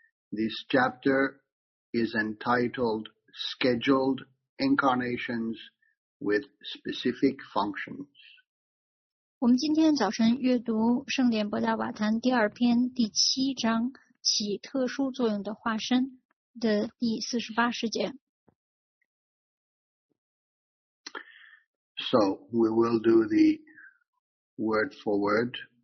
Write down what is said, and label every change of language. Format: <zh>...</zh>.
<en>This chapter is entitled Scheduled Incarnations with Specific Functions.</en> <zh>我们今天早晨阅读圣典博加瓦坛第二篇第七章起特殊作用的化身的第48节。</zh> <en>So, we will do the word for word.</en>